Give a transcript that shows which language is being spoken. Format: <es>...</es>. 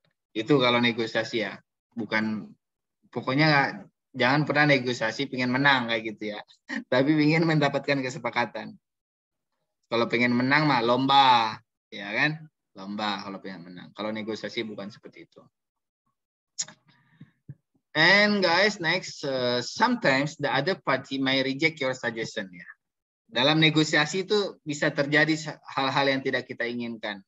<id>Itu kalau negosiasi ya. Bukan pokoknya gak, jangan pernah negosiasi pengen menang kayak gitu ya. Tapi pengen mendapatkan kesepakatan. Kalau pengen menang mah lomba, ya kan? Lomba kalau pengen menang. Kalau negosiasi bukan seperti itu.</id> <en>And guys, next, sometimes the other party may reject your suggestion.</en> <id>Ya. Dalam negosiasi itu bisa terjadi hal-hal yang tidak kita inginkan.</id>